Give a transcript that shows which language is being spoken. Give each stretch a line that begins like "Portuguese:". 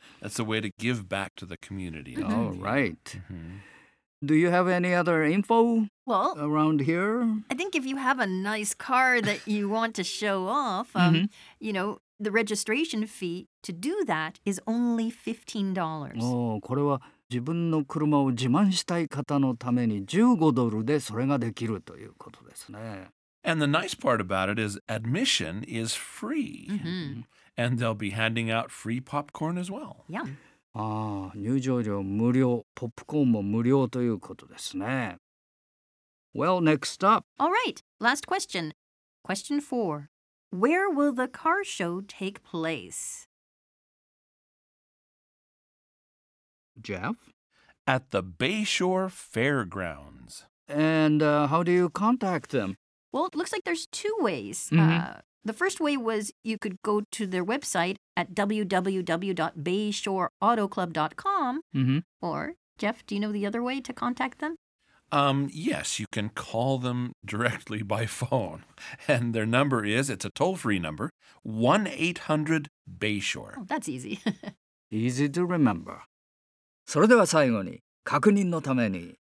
English: That's the way to give back to the community. All right. Do you have any other info around here? I think if you have a nice car that you want to show off, you know, the registration fee to do that is only $15.
Japanese: Oh, これは自分の車を自慢したい方のために15ドルでそれができるということですね。
English: And the nice part about it is admission is free. And they'll be handing out free popcorn as well. Yeah.
Japanese: ああ、入場料無料、ポップコーンも無料ということですね。
English: Well, next up. All right, last question. Question 4. Where will the car show take place? Jeff? At the Bayshore Fairgrounds. And how do you contact them? Well, it looks like there's two ways. Mm-hmm. The first way was you could go to their website at www.bayshoreautoclub.com. Mm-hmm. Or, Jeff, do you know the other way to contact them? Yes, you can call them directly by phone. And their number is, it's a toll-free number, 1-800-BAYSHORE. Oh, that's easy. Easy to remember.
Japanese: それでは最後に、確認のために。